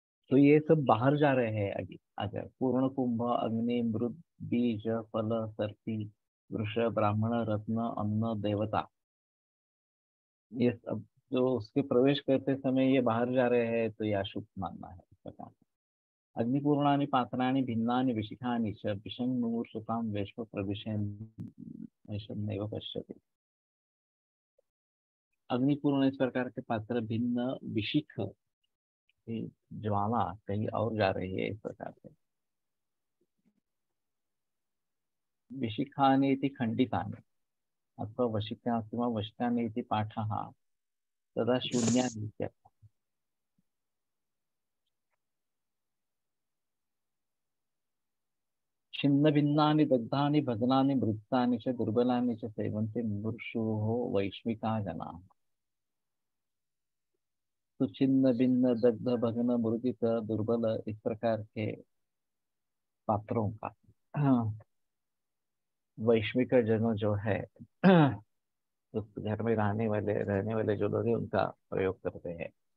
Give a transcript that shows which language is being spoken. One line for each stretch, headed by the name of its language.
Hindi: तो ये सब बाहर जा रहे हैं, अभी अगर पूर्ण कुंभ अग्नि मृद बीज फल सर्पी वृष ब्राह्मण रत्न अन्न देवता, ये सब जो उसके प्रवेश करते समय ये बाहर जा रहे हैं तो ये अशुभ मानना है इस प्रकार।
Sanskrit: अग्निपूर्णानि पात्राणि भिन्नानि विशिखानि च विषं मुमूर्षुतां वेश्म प्रविशन् नैव पश्यति।
Hindi: अग्निपूर्ण इस प्रकार के पात्र भिन्न विशिख ज्वाला कहीं और जा रही है इस प्रकार से,
Sanskrit: विशिखाने इति खंडितानि अथवा वशिकास्ति वा वशिकाने इति पाठः तदा शून्यानि इत्यर्थः। छिन्न भिन्नानि दग्धानि भग्नानि मृतानि च दुर्बलानि च सेवन्ति मुमूर्षोः वैश्विका जनाः।
Hindi: तो छिन्न भिन्न दग्ध भग्न मृदित दुर्बल इस प्रकार के पात्रों का वैश्विक जनों जो है उस घर में रहने वाले जो लोग हैं उनका प्रयोग करते हैं।